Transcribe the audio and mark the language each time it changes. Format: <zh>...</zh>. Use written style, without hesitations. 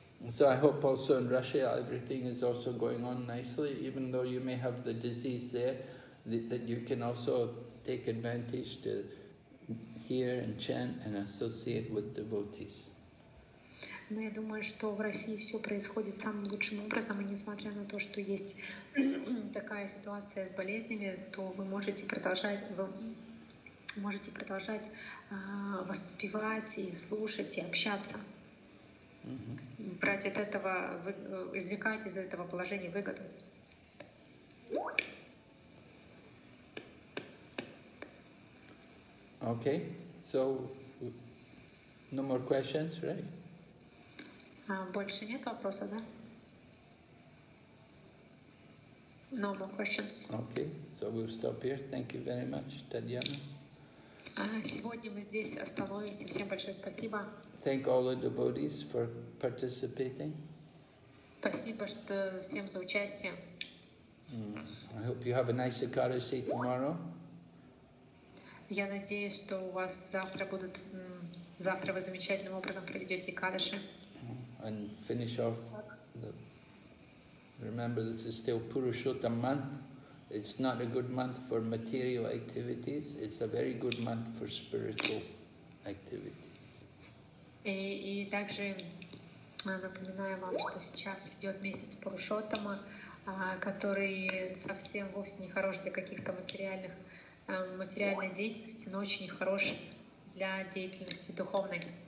<en>So I hope also in Russia everything is also going on nicely, even though you may have the disease there, that you can also take advantage to hear and chant and associate with devotees.</en> <ru>Но я думаю, что в России все происходит самым лучшим образом, и несмотря на то, что есть такая ситуация с болезнями, то вы можете продолжать, можете продолжать воспевать и слушать, и общаться. Mm-hmm. Брать от этого, извлекать из этого положения выгоду.</ru> <en>Okay, so no more questions, right?</en> <ru>Больше нет вопросов, да?</ru> <en>No more questions. Okay, so we'll stop here. Thank you very much, Tatiana.</en> <ru>Сегодня мы здесь остановимся. Всем большое спасибо.</ru> <en>Thank all the devotees for participating.</en> <ru>Спасибо что всем за участие.</ru> <en>I hope you have a nice Ekadasi tomorrow.</en> <ru>Я надеюсь, что у вас завтра будут... Завтра вы замечательным образом проведете Экадаши.</ru> <en>And finish off... Remember, this is still Purushottam month. It's not a good month for material activities. It's a very good month for spiritual activities.</en> <ru>И также напоминаю вам, что сейчас идет месяц Пурушоттама, который совсем вовсе не хорош для каких-то материальных материальной деятельности, но очень хорош для деятельности духовной.</ru>